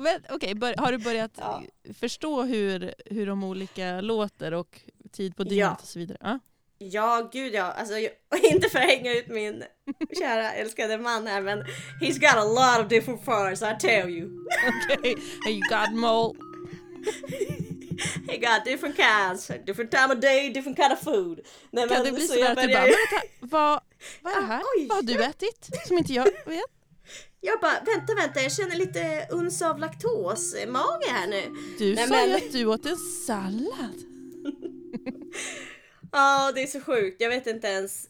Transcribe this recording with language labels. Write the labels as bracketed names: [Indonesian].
[Swedish] Okej, okay, har du börjat förstå hur de olika låter och tid på dygnet och så vidare? Ja, gud ja. Alltså, inte för att hänga ut min kära älskade man här, men [English] he's got a lot of different farts, I tell you. Okej, okay. You got mole. He got different kinds, different time of day, different kind of food. [Swedish] Nej, kan det bli så där typ, vad är det här? Vad har du ätit som inte jag vet? Jag bara, vänta, jag känner lite uns av laktos i magen här nu. Du sa ju att du åt en sallad. Ja, det är så sjukt. Jag vet inte ens.